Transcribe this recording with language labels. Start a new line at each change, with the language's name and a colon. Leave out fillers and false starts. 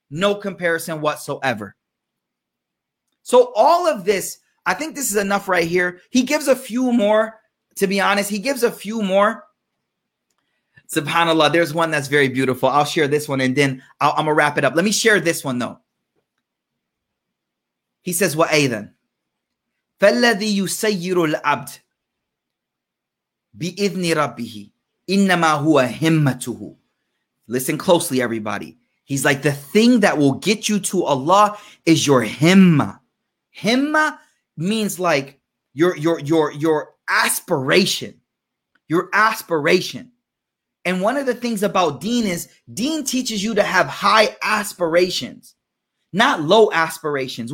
English: No comparison whatsoever. So all of this, I think this is enough right here. He gives a few more. To be honest, he gives a few more. SubhanAllah, there's one that's very beautiful. I'll share this one and then I'm going to wrap it up. Let me share this one though.
Arabic: He says, وَأَيْذًا فَالَّذِي يُسَيِّرُ الْعَبْدِ بِإِذْنِ رَبِّهِ إِنَّمَا هُوَ هِمَّتُهُ.
English: Listen closely, everybody. He's like, the thing that will get you to Allah is your himma. Himma means like your aspiration. Your aspiration. And one of the things about deen is deen teaches you to have high aspirations, not low aspirations.